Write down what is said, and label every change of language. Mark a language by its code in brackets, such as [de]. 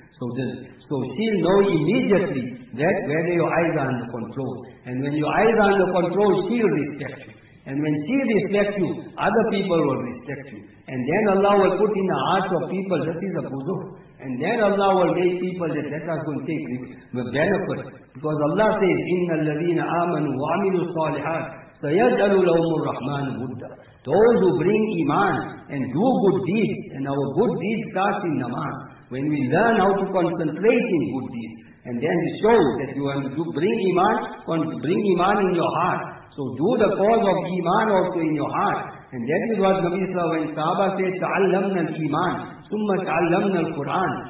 [en] So she'll know immediately that whether your eyes are under control. And when your eyes are under control, she'll respect you. And when she respects you, other people will respect you. And then Allah will put in the hearts of people, that is a buzur. And then Allah will make people that are going to take the benefit. [ar] Because Allah says, إِنَّ الَّذِينَ آمَنُوا وَعَمِلُوا الصَّالِحَاتِ سَيَجْعَلُ لَهُمُ الرَّحْمَنُ وُدًّا. [en] Those who bring iman and do good deeds, and our good deeds start in namaz. When we learn how to concentrate in good deeds, and then we show that you have to bring iman in your heart. So do the cause of iman also in your heart. And that is what Nabi Sallallahu Alaihi Wasallam when Sahaba said, [ar] ta'allamna al-iman, summa ta'allamna al-Quran.